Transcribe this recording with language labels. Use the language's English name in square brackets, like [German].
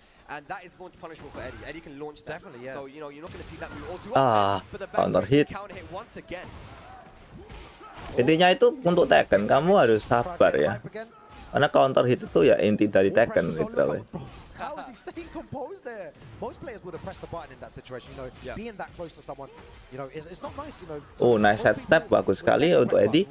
[English] And that is going to punishable for Eddie. Eddie can launch definitely, yeah. So you know you're not going to see that move all too often. Ah, counter hit. Once again. [Indonesian] Intinya itu untuk Tekken, kamu harus sabar ya. Karena counter hit itu ya inti dari Tekken literally. [English] How is he staying composed there? Most players would have pressed the button in that situation, you know, yeah. Being that close to someone, you know, it's not nice, you know. So oh, nice head step, [Indonesian] bagus sekali untuk Eddie.